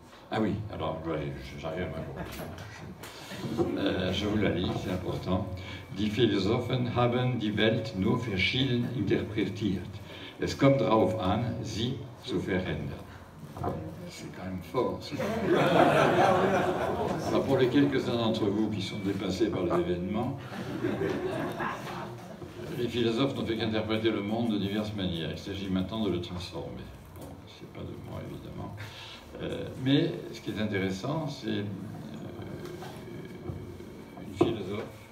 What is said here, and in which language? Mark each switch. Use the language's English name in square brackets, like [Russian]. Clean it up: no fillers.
[French] Ah oui, alors j'arrive à ma conclusion. Je vous la lis, c'est important. [German] Die Philosophen haben die Welt nur verschieden interpretiert. Es kommt darauf an, sie zu verändern. [French] C'est quand même fort. Alors pour les quelques-uns d'entre vous qui sont dépassés par les événements, les philosophes n'ont fait qu'interpréter le monde de diverses manières. Il s'agit maintenant de le transformer. Bon, c'est pas de moi, évidemment. Mais ce qui est intéressant, c'est une philosophe